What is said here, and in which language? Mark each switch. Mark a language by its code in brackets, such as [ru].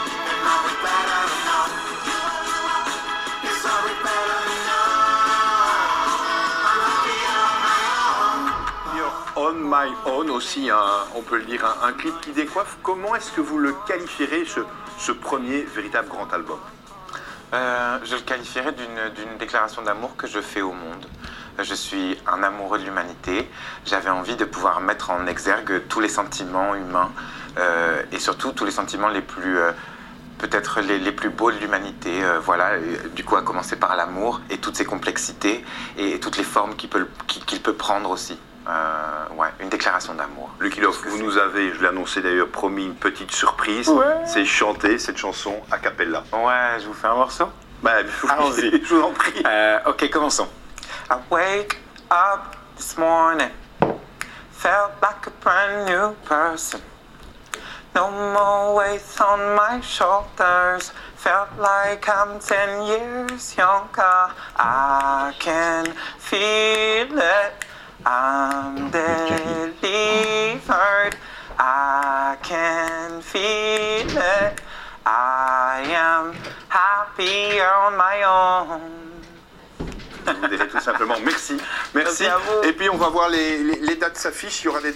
[en] And I'll be better enough. Yes, I'll be better enough. I'm happy on my own. [fr] You're on my own aussi, on peut le dire, un clip qui décoiffe. Comment est-ce que vous le qualifierez, ce premier véritable grand album? Je le qualifierais d'une déclaration d'amour que je fais au monde. Je suis un amoureux de l'humanité. J'avais envie de pouvoir mettre en exergue tous les sentiments humains et surtout tous les sentiments les plus, peut-être les plus beaux de l'humanité. Voilà, du coup, à commencer par l'amour et toutes ses complexités et toutes les formes qu'il peut prendre aussi. Ouais, une déclaration d'amour. Lucky Love, vous nous avez, je l'ai annoncé d'ailleurs, promis une petite surprise. Ouais. C'est chanter cette chanson a cappella. Ouais, je vous fais un morceau. Allons-y. Je vous en prie. Ok, commençons. [en] I wake up this morning, felt like a brand new person. No more weight on my shoulders, felt like I'm 10 years younger. I can feel it. I'm delivered, I can feel it, I am happy on my own. [fr] Vous direz tout simplement merci. Merci à vous. Et puis on va voir les dates s'affichent, il y aura des dates.